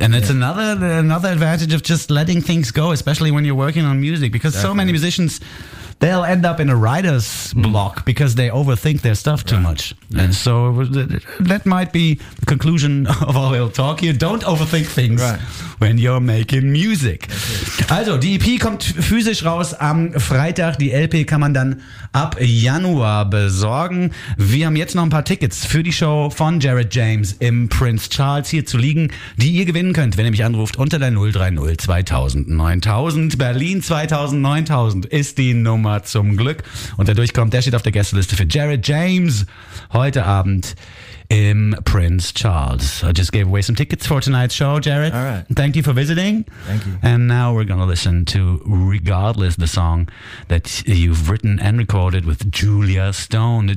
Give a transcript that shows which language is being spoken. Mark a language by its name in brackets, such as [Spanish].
[English] And it's another advantage of just letting things go, especially when you're working on music, because so many musicians, they'll end up in a writer's block because they overthink their stuff too much. Yeah. And so that might be the conclusion of our little talk here. Don't overthink things when you're making music. [German] Also, die EP kommt physisch raus am Freitag. Die LP kann man dann ab Januar besorgen. Wir haben jetzt noch ein paar Tickets für die Show von Jared James im Prince Charles hier zu liegen, die ihr gewinnen könnt, wenn ihr mich anruft unter der 030 2000 9000. Berlin 2000 9000 ist die Nummer zum Glück. Und der durchkommt, der steht auf der Gästeliste für Jared James heute Abend im Prince Charles. [English] I just gave away some tickets for tonight's show, Jared. All right. Thank you for visiting. Thank you. And now we're going to listen to Regardless, the song that you've written and recorded with Julia Stone.